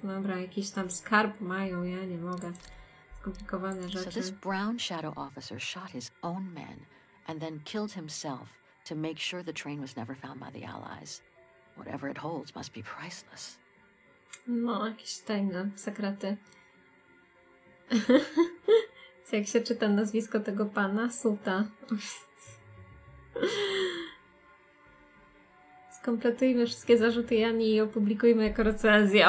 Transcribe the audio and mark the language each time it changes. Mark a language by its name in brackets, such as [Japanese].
[Polish] Dobra, jakiś tam skarb mają, ja nie mogę. Skomplikowane rzeczy. [English] So this brown shadow officer shot his own men and then killed himself to make sure the train was never found by the Allies. Whatever it holds must be priceless. [Polish] No, jakieś tajne sekrety. Jak się czyta nazwisko tego pana? Suta. Skompletujmy wszystkie zarzuty Jani i opublikujmy jako recenzję.